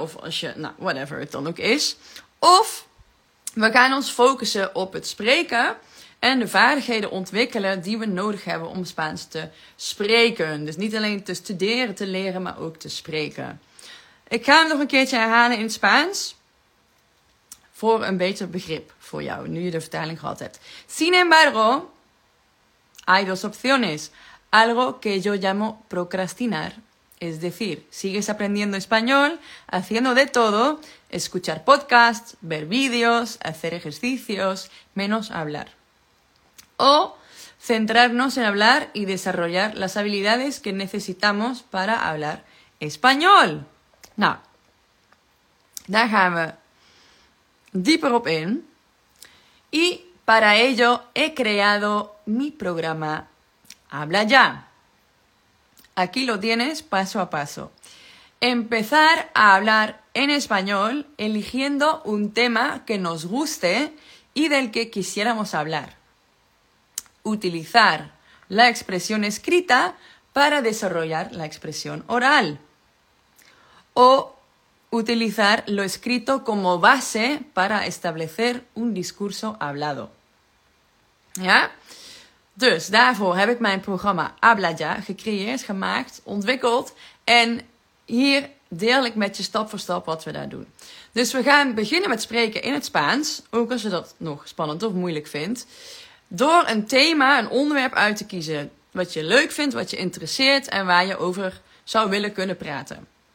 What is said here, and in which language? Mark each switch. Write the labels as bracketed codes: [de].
[nl] Of als je, nou, whatever het dan ook is. Of we gaan ons focussen op het spreken en de vaardigheden ontwikkelen die we nodig hebben om Spaans te spreken. Dus niet alleen te studeren, te leren, maar ook te spreken. Ik ga hem nog een keertje herhalen in het Spaans. Voor een beter begrip voor jou, nu je de vertaling gehad hebt. [es] Sin embargo, hay dos opciones. Algo que yo llamo procrastinar. Es decir, sigues aprendiendo español, haciendo de todo, escuchar podcasts, ver vídeos, hacer ejercicios, menos hablar. O centrarnos en hablar y desarrollar las habilidades que necesitamos para hablar español. [nl] Nou, daar gaan we dieper op in. [es] Y para ello he creado mi programa Habla Ya. Aquí lo tienes paso a paso. Empezar a hablar en español eligiendo un tema que nos guste y del que quisiéramos hablar. Utilizar la expresión escrita para desarrollar la expresión oral. O utilizar lo escrito como base para establecer un discurso hablado. ¿Ya? [nl] Dus daarvoor heb ik mijn programma Habla Ya gecreëerd, gemaakt, ontwikkeld. En hier deel ik met je stap voor stap wat we daar doen. Dus we gaan beginnen met spreken in het Spaans. Ook als je dat nog spannend of moeilijk vindt. Door een thema, een onderwerp uit te kiezen. Wat je leuk vindt, wat je interesseert en waar je over zou willen kunnen praten.